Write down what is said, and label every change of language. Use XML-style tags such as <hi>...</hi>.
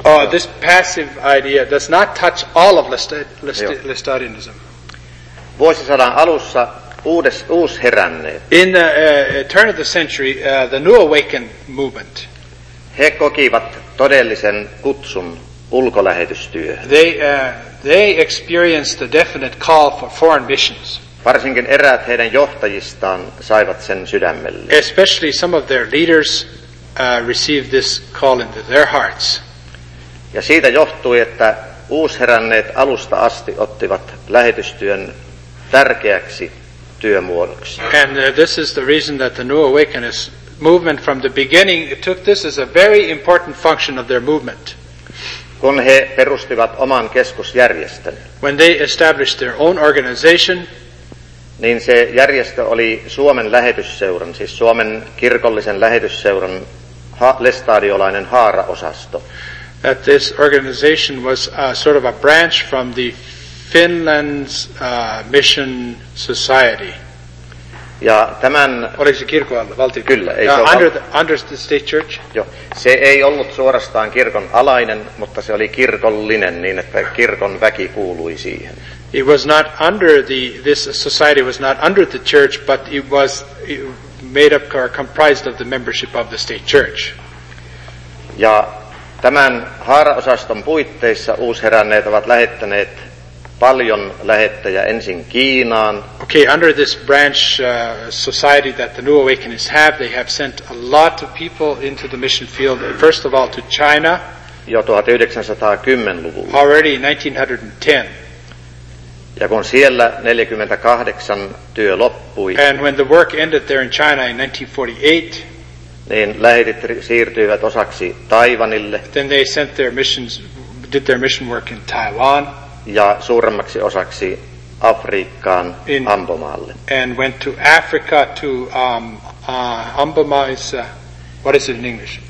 <en>This passive idea does not touch all of Lestadianism.</en> <fi>Vuosisadan alussa uusi heränneet.</fi> <en>In the turn of the century, the new awakened movement.</en> <fi>He kokivat todellisen kutsun ulkolähetystyöhön.</fi> <en>They experienced the definite call for foreign missions.</en> <fi>Varsinkin eräät heidän johtajistaan saivat sen sydämelle.</fi> <en>Especially some of their leaders receive this call into their hearts.</en> <fi>Ja siitä johtui, että uusheränneet alusta asti ottivat lähetystyön tärkeäksi työmuodoksi.</fi> <en>And this is the reason that the New Awakeness movement from the beginning took this as a very important function of their movement.</en> <fi>Kun he perustivat oman keskusjärjestön.</fi> <en>When they established their own organization,</en> <fi>niin se järjestö oli Suomen lähetysseuran, siis Suomen kirkollisen lähetysseuran lestadiolainen haaraosasto.</fi> <en>That this organization was sort of a branch from the Finland's mission society.</en> <fi>Ja tämän oliko se kirkon alla, valtio? Kyllä, ei</fi> <en>under the state church?</en> <fi>Joo. Se ei ollut suorastaan kirkon alainen, mutta se oli kirkollinen niin että kirkon väki kuului siihen.</fi> <en>It was not under this society was not under the church, but it was made up or comprised of the membership of the state church.</en> <fi>Ja tämän haaraosaston puitteissa uusheränneet ovat lähettäneet paljon lähettäjä ensin Kiinaan.</fi> <en>Okay, under this branch society that the New Awakenings have, they have sent a lot of people into the mission field, first of all to China.</en> <fi>Jo 1910-luvulla.</fi> <en>Already 1910.</en> <fi>Ja kun siellä 48 työ loppui.</fi> <en>And when the work ended there in China in 1948,</en> <fi>niin lähetit siirtyivät osaksi Taiwanille.</fi> <en>Then they sent their missions, did their mission work in Taiwan.</en> <fi>Ja suuremmaksi osaksi Afrikkaan Ambomaalle.</fi> <en>And went to Africa to Amboma is what is it in English?</en>